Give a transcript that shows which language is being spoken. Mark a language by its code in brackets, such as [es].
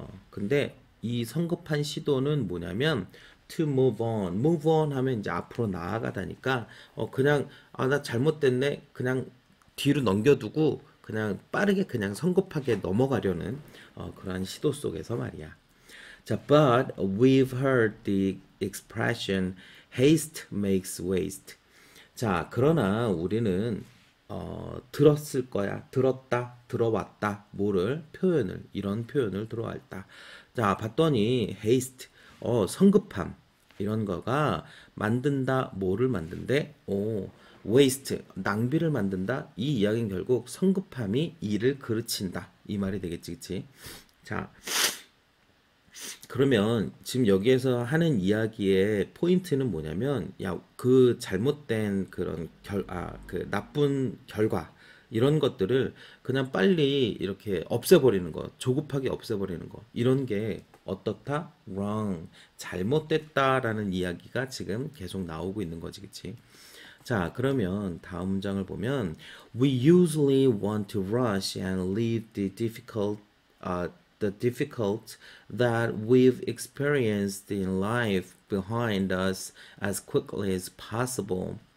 [ko] 근데 이 성급한 시도는 뭐냐면 [en] to move on. [ko] move on 하면 이제 앞으로 나아가다니까, 그냥 아나 잘못됐네, 그냥 뒤로 넘겨두고 그냥 빠르게 그냥 성급하게 넘어가려는 그러한 시도 속에서 말이야. [en] 자, but we've heard the expression haste makes waste. [ko] 자, 그러나 우리는 들었을 거야. 들었다, 들어왔다. 뭐를? 표현을. 이런 표현을 들어왔다. 자, 봤더니 haste, 성급함, 이런 거가 만든다, 뭐를 만든대? waste, 낭비를 만든다. 이 이야기는 결국 성급함이 일을 그르친다, 이 말이 되겠지, 그치? 자, 그러면 지금 여기에서 하는 이야기의 포인트는 뭐냐면, 야, 그 잘못된 그런 그 나쁜 결과, 이런 것들을 그냥 빨리 이렇게 없애버리는 거, 조급하게 없애버리는 거, 이런 게 어떻다? wrong, 잘못됐다라는 이야기가 지금 계속 나오고 있는 거지, 그치? 자, 그러면 다음 장을 보면, [en] We usually want to rush and leave the difficult that we've experienced in life behind us as quickly as possible.